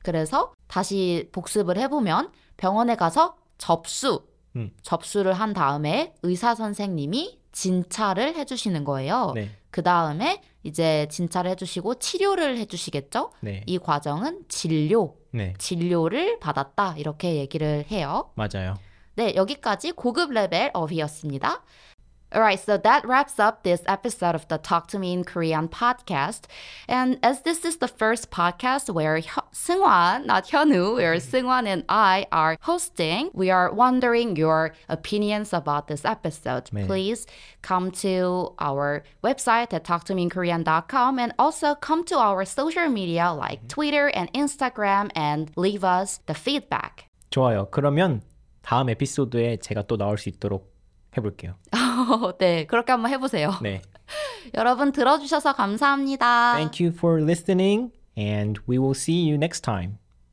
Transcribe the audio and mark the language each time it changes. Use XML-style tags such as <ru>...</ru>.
<ko>그래서 다시 복습을 해보면 병원에 가서 접수, 접수를 한 다음에 의사 선생님이 진찰을 해주시는 거예요. 네. 그 다음에 이제 진찰을 해주시고 치료를 해주시겠죠? 네. 이 과정은 진료, 네. 진료를 받았다 이렇게 얘기를 해요. 맞아요. 네, 여기까지 고급 레벨 업이었습니다.</ko> <en>Alright, so that wraps up this episode of the Talk to Me in Korean podcast. And as this is the first podcast where Seungwan and I are hosting, we are wondering your opinions about this episode.</en> <ko>네.</ko> <en>Please come to our website at talktomeinkorean.com and also come to our social media like Twitter and Instagram and leave us the feedback.</en> <ko>좋아요. 그러면 다음 에피소드에 제가 또 나올 수 있도록 해볼게요. 네, 그렇게 한번 해보세요. 네. 여러분 들어주셔서 감사합니다.</ko> <en>Thank you for listening and we will see you next time.</en>